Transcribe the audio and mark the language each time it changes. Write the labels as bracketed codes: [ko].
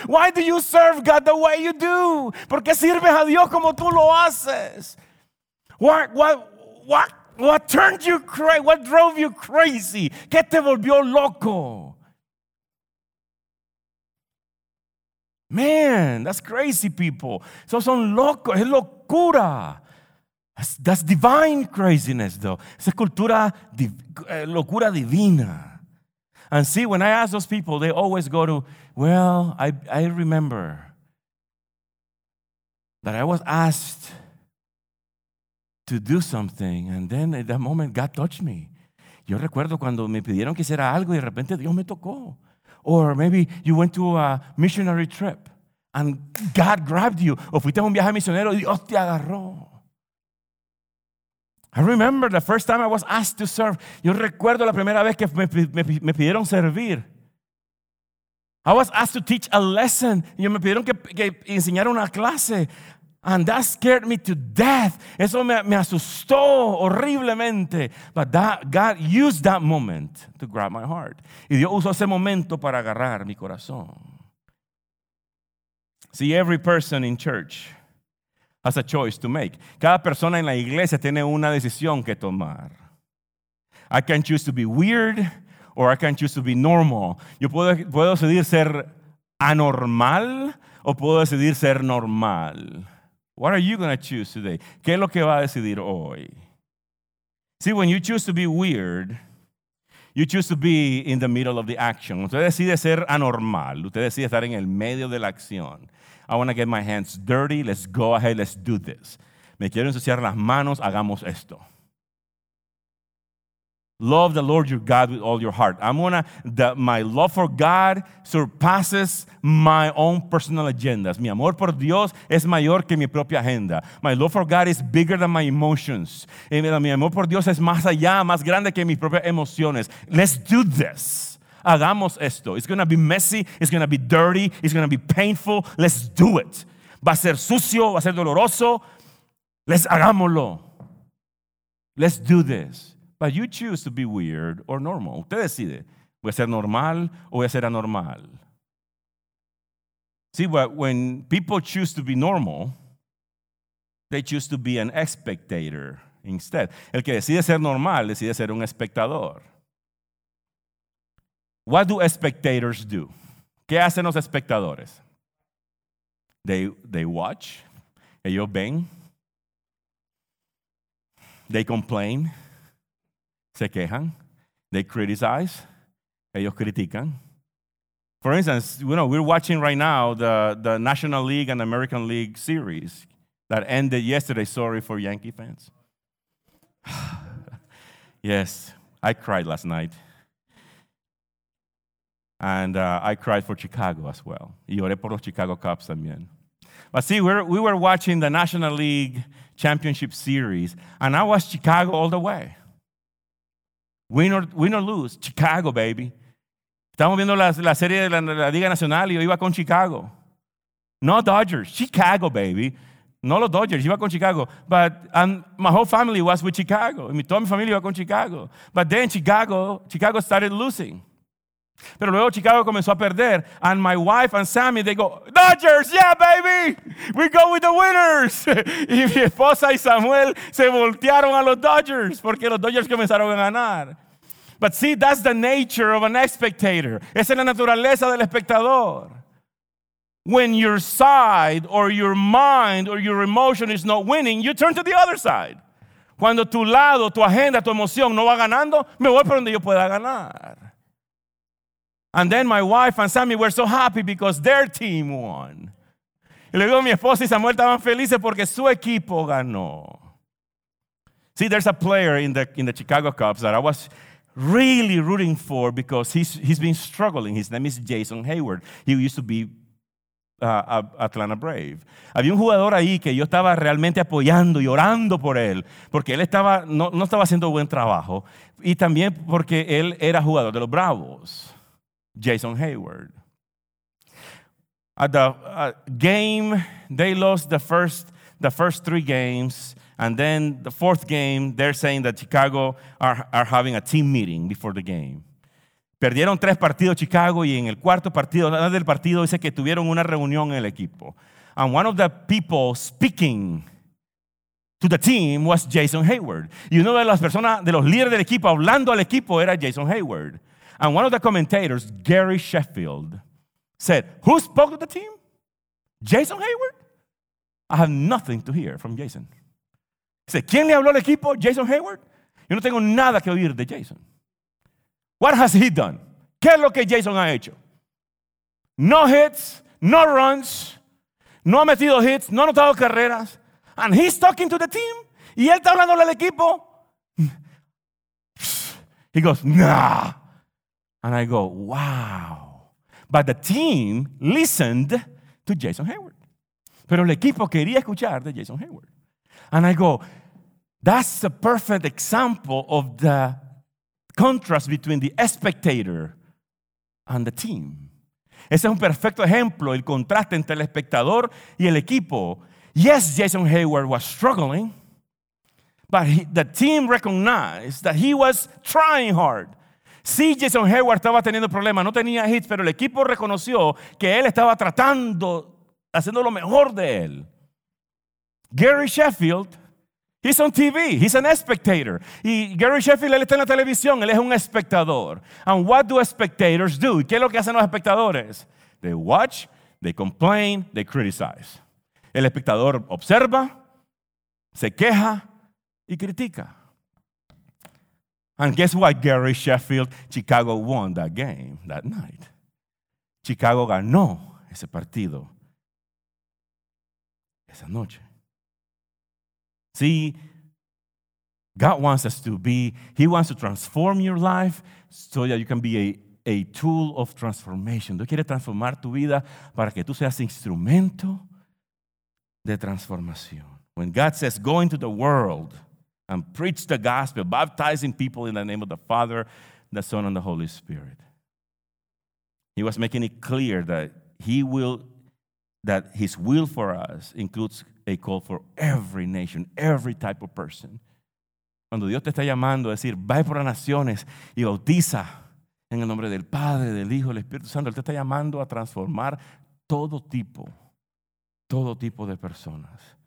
[en] Why do you serve God the way you do? [es] ¿Por qué sirves a Dios como tú lo haces? [en] What turned you crazy? What drove you crazy? [es] ¿Qué te volvió loco? [en] Man, that's crazy, people. [es] Eso son locos, es locura. [en] That's divine craziness, though. [es] Esa es cultura, locura divina. [en] And see, when I ask those people, they always go to, well, I remember that I was asked to do something, and then at that moment God touched me. [es] Yo recuerdo cuando me pidieron que hiciera algo y de repente Dios me tocó. [en] Or maybe you went to a missionary trip and God grabbed you. [es] O fuiste a un viaje misionero y Dios te agarró. [en] I remember the first time I was asked to serve. [es] Yo recuerdo la primera vez que me pidieron servir. [en] I was asked to teach a lesson. [es] Y me pidieron que enseñara una clase. [en] And that scared me to death. [es] Eso me asustó horriblemente. [en] But that God used that moment to grab my heart. [es] Y Dios usó ese momento para agarrar mi corazón. [en] See, every person in church has a choice to make. [es] Cada persona en la iglesia tiene una decisión que tomar. [en] I can choose to be weird or I can choose to be normal. [es] Yo puedo decidir ser anormal o puedo decidir ser normal. [en] What are you going to choose today? [es] ¿Qué es lo que va a decidir hoy? [en] See, when you choose to be weird, you choose to be in the middle of the action. [es] Usted decide ser anormal. Usted decide estar en el medio de la acción. [en] I want to get my hands dirty. Let's go ahead. Let's do this. [es] Me quiero ensuciar las manos. Hagamos esto. [en] Love the Lord your God with all your heart. My love for God surpasses my own personal agendas. [es] Mi amor por Dios es mayor que mi propia agenda. [en] My love for God is bigger than my emotions. [es] Mi amor por Dios es más allá, más grande que mis propias emociones. [en] Let's do this. [es] Hagamos esto. [en] It's going to be messy. It's going to be dirty. It's going to be painful. Let's do it. [es] Va a ser sucio. Va a ser doloroso. [en] Let's hagámoslo. Let's do this. But you choose to be weird or normal. [es] Usted decide, voy a ser normal o voy a ser anormal. [en] See, when people choose to be normal, they choose to be an spectator instead. [es] El que decide ser normal, decide ser un espectador. [en] What do spectators do? [es] ¿Qué hacen los espectadores? [en] They watch. [es] Ellos ven. [en] They complain. [es] Se quejan. [en] They criticize. [es] Ellos critican. [en] For instance, you know, we're watching right now the National League and American League series that ended yesterday. Sorry for Yankee fans. Yes, I cried last night. And I cried for Chicago as well. [es] Y lloré por los Chicago Cubs también. [en] But see, we were watching the National League Championship Series, and I was Chicago all the way. Win or lose, Chicago, baby. [es] Estamos viendo la serie de la Liga Nacional y yo iba con Chicago. [en] No Dodgers, Chicago, baby. [es] No los Dodgers, iba con Chicago. [en] But my whole family was with Chicago. [es] Toda mi familia iba con Chicago. [en] But then Chicago started losing. [es] Pero luego Chicago comenzó a perder. [en] And my wife and Sammy, they go, Dodgers, yeah, baby. We go with the winners. [es] Y mi esposa y Samuel se voltearon a los Dodgers porque los Dodgers comenzaron a ganar. [en] But see, that's the nature of an spectator. [es] Esa es la naturaleza del espectador. [en] When your side or your mind or your emotion is not winning, you turn to the other side. [es] Cuando tu lado, tu agenda, tu emoción no va ganando, me voy para donde yo pueda ganar. [en] And then my wife and Sammy were so happy because their team won. [es] Y luego mi esposa y Samuel estaban felices porque su equipo ganó. [en] See, there's a player in the Chicago Cubs that I was really rooting for because he's been struggling. His name is Jason Hayward. He used to be Atlanta Brave. [es] Había un jugador ahí que yo estaba realmente apoyando y orando por él porque él estaba, no estaba haciendo buen trabajo y también porque él era jugador de los Bravos, Jason Hayward. [en] At the game, they lost the first three games, and then the fourth game, they're saying that Chicago are having a team meeting before the game. [es] Perdieron tres partidos Chicago y en el cuarto partido, antes del partido, dice que tuvieron una reunión en el equipo. [en] And one of the people speaking to the team was Jason Hayward. [es] Y una de las personas, de los líderes del equipo, hablando al equipo, era Jason Hayward. [en] And one of the commentators, Gary Sheffield, said, "Who spoke to the team? Jason Hayward? I have nothing to hear from Jason." [es] Dice, ¿quién le habló al equipo? Jason Hayward. Yo no tengo nada que oír de Jason. [en] What has he done? [es] ¿Qué es lo que Jason ha hecho? [en] No hits, no runs, [es] no ha metido hits, no ha anotado carreras. [en] And he's talking to the team. [es] Y él está hablando al equipo. [en] He goes, nah. And I go, wow. But the team listened to Jason Hayward. [es] Pero el equipo quería escuchar de Jason Hayward. [en] And I go, that's a perfect example of the contrast between the spectator and the team. [es] Ese es un perfecto ejemplo, el contraste entre el espectador y el equipo. [en] Yes, Jason Hayward was struggling, but the team recognized that he was trying hard. [es] Sí, Jason Hayward estaba teniendo problemas, no tenía hits, pero el equipo reconoció que él estaba tratando, haciendo lo mejor de él. [en] Gary Sheffield, he's on TV. He's an spectator. [es] Y Gary Sheffield, él está en la televisión. Él es un espectador. [en] And what do spectators do? [es] ¿Qué es lo que hacen los espectadores? [en] They watch, they complain, they criticize. [es] El espectador observa, se queja y critica. [en] And guess what? Gary Sheffield, Chicago won that game that night. [es] Chicago ganó ese partido esa noche. [en] See, God wants us to be, He wants to transform your life so that you can be a tool of transformation. [es] Dios quiere transformar tu vida para que tú seas instrumento de transformación. [en] When God says, go into the world and preach the gospel, baptizing people in the name of the Father, the Son, and the Holy Spirit, He was making it clear that His will for us includes a call for every nation, every type of person. [es] Cuando Dios te está llamando a decir, vaya por las naciones y bautiza en el nombre del Padre, del Hijo, del Espíritu Santo, Él te está llamando a transformar todo tipo de personas.